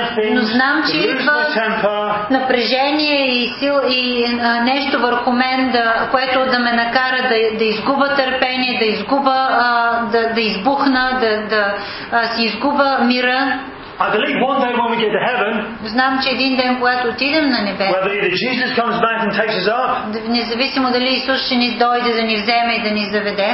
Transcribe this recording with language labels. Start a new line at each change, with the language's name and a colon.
Bulgarian: Но знам, че идва напрежение и сил и нещо върху мен, което да ме накара да изгуба търпение, да изгуба да избухна, да си изгуба мира.
English: I believe one day when we get to heaven.
Bulgarian: Знам, че един ден, когато отидем на небе.
English: Whether either Jesus comes back and takes us up.
Bulgarian: Независимо дали Исус ще ни дойде да ни вземе и да ни заведе.